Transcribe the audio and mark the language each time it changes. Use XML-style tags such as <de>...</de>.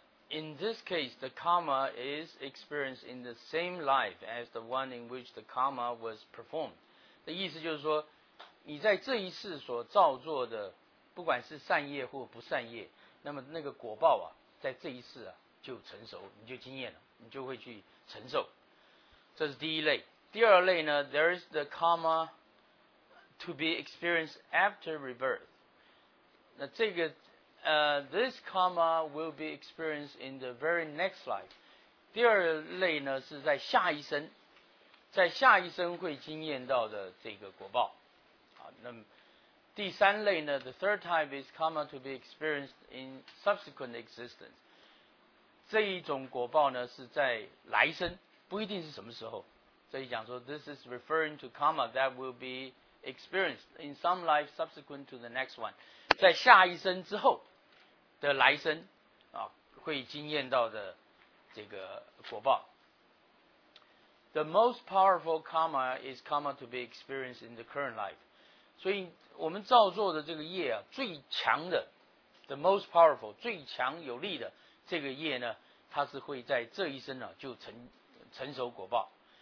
<en>In this case, the karma is experienced in the same life as the one in which the karma was performed.</en> <zh>的意思就是说，你在这一世所造作的，不管是善业或不善业，那么那个果报啊，在这一世啊，就成熟，你就经验了，你就会去承受。这是第一类。第二类呢，</zh> <en>there is the karma to be experienced after rebirth.</en> <zh>那这个。</zh> <en>This karma will be experienced in the very next life.</en> <zh>第二类呢，是在下一生，在下一生会经验到的这个果报。好，那么第三类呢</zh> <en>，the third type is karma to be experienced in subsequent existence.</en> <zh>这一种果报呢，是在来生，不一定是什么时候。这里讲说</zh> <en>，this is referring to karma that will be experienced in some life subsequent to the next one.</en> <zh>在下一生之后。的来生啊，会经验到的这个果报。</zh> <en>The most powerful karma is karma to be experienced in the current life。</en> <zh>所以，我们造作的这个业啊，最强的 ，</zh> <en>the most powerful</en> <zh>最强有力的这个业呢，它是会在这一生啊就成熟果报。</zh>